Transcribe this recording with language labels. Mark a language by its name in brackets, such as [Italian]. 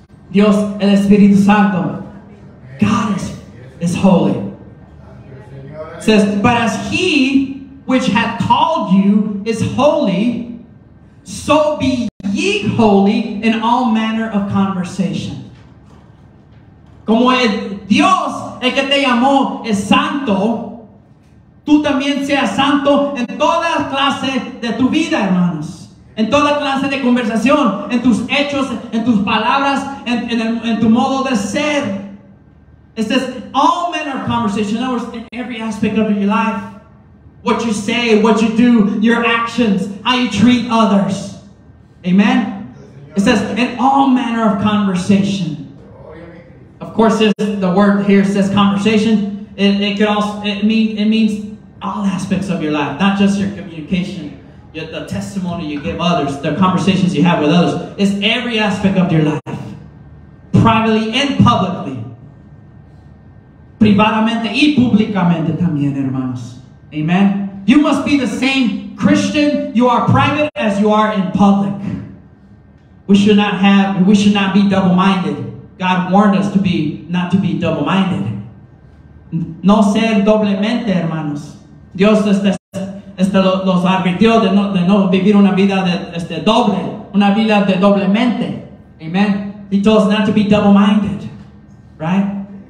[Spanish] Dios el Espíritu Santo. [English] God is holy. It says, but as he which hath called you is holy, so be ye holy in all manner of conversation. [Spanish] Como el Dios, el que te llamó, es santo, tú también seas santo en toda clase de tu vida, hermanos. En toda clase de conversación, en tus hechos, en tus palabras, en tu modo de ser. [English] It says, all manner of conversation. In other words, in every aspect of your life, what you say, what you do, your actions, how you treat others. Amen? It says, in all manner of conversation. Of course, the word here says conversation. It means all aspects of your life, not just your communication, the testimony you give others, the conversations you have with others. It's every aspect of your life, privately and publicly, [Spanish] privadamente y públicamente también, hermanos. [English] Amen. You must be the same Christian you are private as you are in public. We should not be double-minded. God warned us not to be double-minded. [Spanish] No ser doblemente, hermanos. Dios los advirtió de no vivir una vida de doble, una vida de doblemente. Amen. [English] He told us not to be double-minded, right?